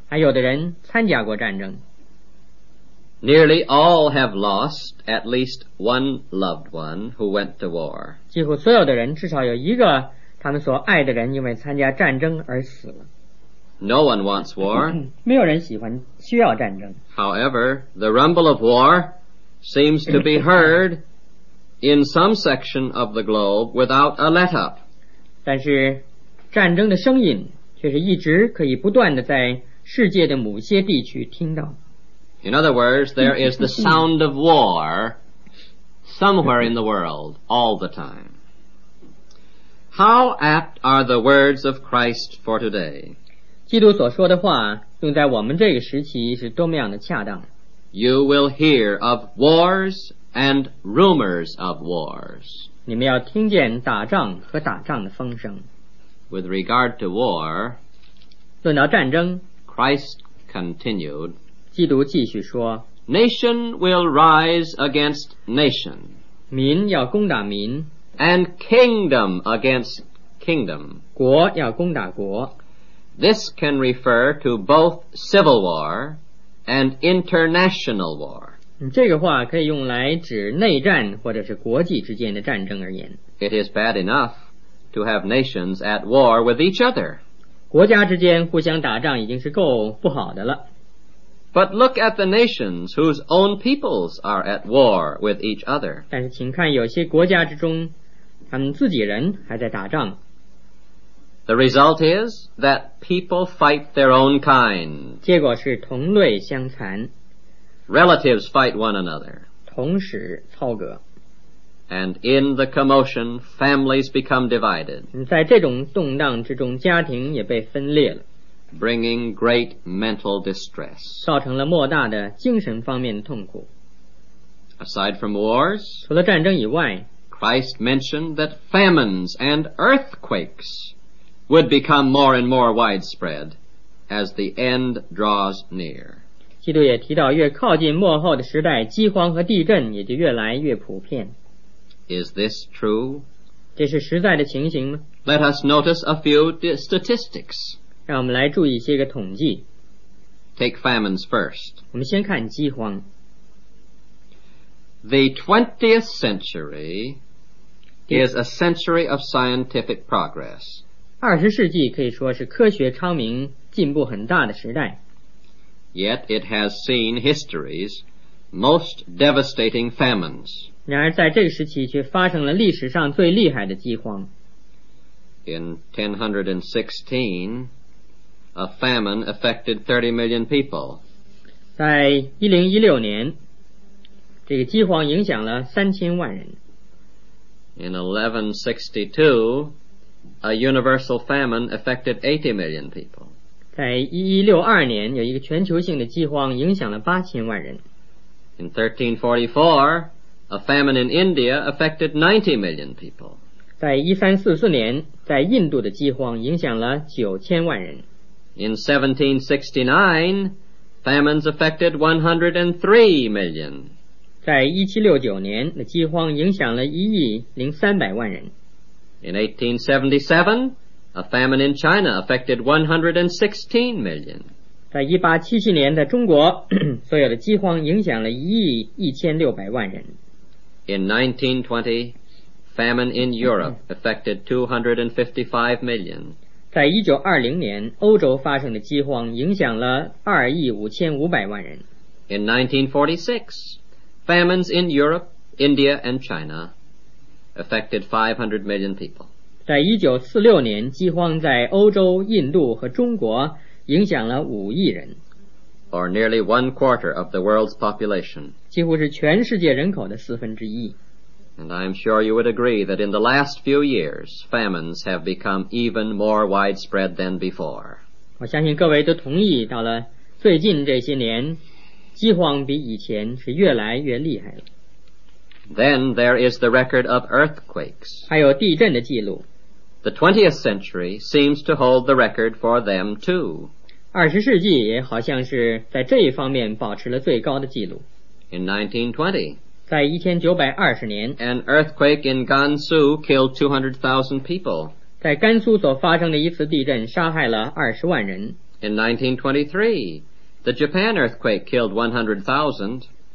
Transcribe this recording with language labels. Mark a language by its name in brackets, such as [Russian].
[Chinese] 还有的人参加过战争。 [English] Nearly all have lost at least one loved one who went to war. [Chinese] 几乎所有的人至少有一个他们所爱的人因为参加战争而死了。 [English] No one wants war. [Chinese] 没有人喜欢需要战争。 [English] However, the rumble of war seems to be heard in some section of the globe without a let up. [Chinese] 但是战争的声音却是一直可以不断地在世界的某些地区听到。 [English] In other words, there is the sound of war somewhere in the world all the time. How apt are the words of Christ for today? [Chinese] 基督所说的话用在我们这个时期是多么样的恰当。 [English] You will hear of wars and rumors of wars. [Chinese] 你们要听见打仗和打仗的风声。 [English] With regard to war, [Chinese] 论到战争 [English] Christ continued, [Chinese] 基督继续说 [English] Nation will rise against nation [Chinese] 民要攻打民 [English] And kingdom against kingdom [Chinese] 国要攻打国 [English] This can refer to both civil war and international war [Chinese] 这个话可以用来指内战或者是国际之间的战争而言 [English] It is bad enough to have nations at war with each other [Chinese] 国家之间互相打仗已经是够不好的了 [English] But look at the nations whose own peoples are at war with each other. [Chinese] 但是请看有些国家之中他们自己人还在打仗。 [English] The result is that people fight their own kind. [Chinese] 结果是同类相残。 [English] Relatives fight one another. [Chinese] 同时操戈。 [English] And in the commotion, families become divided. [Chinese] 在这种动荡之中，家庭也被分裂了。 [English] Bringing great mental distress. [Chinese] 造成了莫大的精神方面的痛苦。 [English] Aside from wars, [Chinese] 除了战争以外， [English] Christ mentioned that famines and earthquakes would become more and more widespread as the end draws near. [Chinese] 基督也提到，越靠近末后的时代，饥荒和地震也就越来越普遍。 [English] Is this true? [Chinese] 这是实在的情形吗？ [English] Let us notice a few statistics. [Chinese] 让我们来注意一些个统计。 [English] Take famines first. [Chinese] 我们先看饥荒。 [English] The 20th century is a century of scientific progress. [Chinese] 二十世纪可以说是科学昌明、进步很大的时代。 [English] Yet it has seen history's most devastating famines. [Chinese] 然而在这个时期却发生了历史上最厉害的饥荒。 [English] In 1016, a famine affected 30 million people. [Chinese] 在1016年，这个饥荒影响了3000万人。 [English] In 1162, a universal famine affected 80 million people. [Chinese] 在1162年，有一个全球性的饥荒影响了8000万人。 [English] In 1344,A famine in India affected 90 million people. [Chinese] 在1344年，在印度的饥荒影响了9000万人。 [English] In 1769, famines affected 103 million. [Chinese] 在1769年，那饥荒影响了1.03亿人。 [English] In 1877, a famine in China affected 116 million. [Chinese] 在1877年的中国，所有的饥荒影响了1.16亿人。 [English] In 1920, famine in Europe affected 255 million. [Chinese] 在1920年，欧洲发生的饥荒影响了2.5亿人。 [English] In 1946, famines in Europe, India, and China affected 500 million people. [Chinese] 在1946年，饥荒在欧洲、印度和中国影响了5亿人。 [English] Or nearly one quarter of the world's population. [Chinese] 几乎是全世界人口的四分之一。 [English] And I'm sure you would agree that in the last few years, famines have become even more widespread than before. [Chinese] 我相信各位都同意，到了最近这些年，饥荒比以前是越来越厉害了。 [English] Then there is the record of earthquakes. [Chinese] 还有地震的记录。 [English] The 20th century seems to hold the record for them too. [Chinese] 二十世纪也好像是在这一方面保持了最高的记录。 [English] In 1920, [Chinese] 在1920年， [English] an earthquake in Gansu killed 200,000 people. [Chinese] 在甘肃所发生的一次地震杀害了200,000人。 [English] In 1923, the Japan earthquake killed 100,000.